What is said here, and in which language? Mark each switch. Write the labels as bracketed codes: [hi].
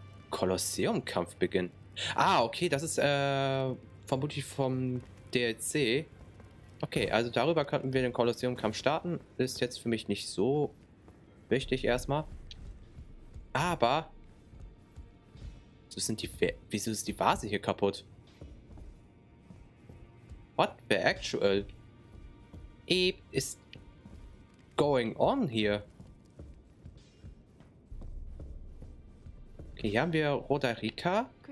[de] Kolosseumkampf beginnen. Ah, okay, das ist vermutlich vom DLC. Okay, also darüber könnten wir den Kolosseumkampf starten. Ist jetzt für mich nicht so wichtig erstmal. Aber wieso ist die Vase hier kaputt? [en] What the actual is going on here? [de] Hier haben wir Roderica.